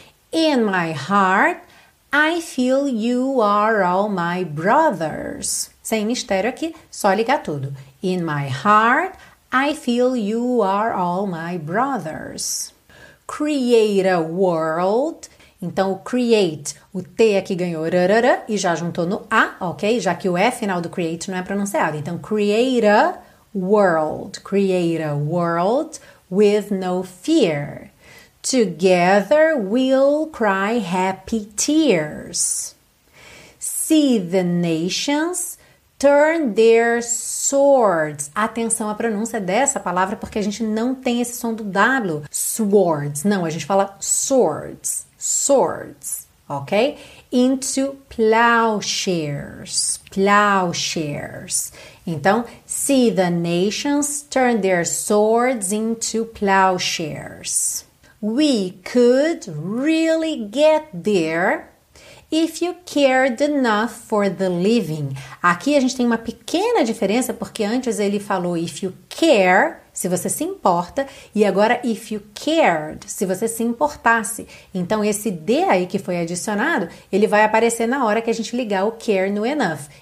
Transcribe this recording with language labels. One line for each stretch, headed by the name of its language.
English: In my heart, I feel you are all my brothers.
Portuguese: Sem mistério aqui, só ligar tudo.
English: In my heart, I feel you are all my brothers. Create a world.
Portuguese: Então, o create, o T aqui ganhou rarara e já juntou no A, ok? Já que o E final do create não é pronunciado.
English: Então, create a world. Create a world with no fear. Together we'll cry happy tears. See the nations turn their swords.
Portuguese: Atenção à pronúncia dessa palavra, porque a gente não tem esse som do W. Swords. Não, a gente fala swords. Swords. Ok?
English: Into plowshares. Plowshares. Então, see the nations turn their swords into plowshares. We could really get there if you cared enough for the living.
Portuguese: Aqui a gente tem uma pequena diferença, porque antes ele falou if you care, se você se importa, e agora if you cared, se você se importasse. Então, esse D aí que foi adicionado, ele vai aparecer na hora que a gente ligar o care no enough.